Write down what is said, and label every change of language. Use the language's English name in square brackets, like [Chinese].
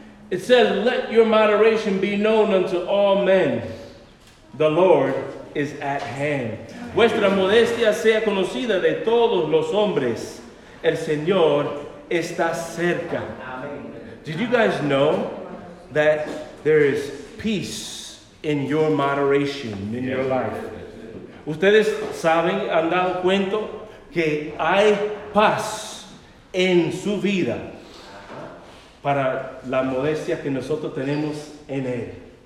[English] It says, let your moderation be known unto all men. The Lord is at hand. [Spanish] Vuestra modestia sea conocida de todos los hombres. El Señor está cerca. [English] Did you guys know that there is peace in your moderation, in your life? [Spanish] Ustedes saben, han dado cuenta que hay paz en su vida para la modestia que nosotros tenemos en él.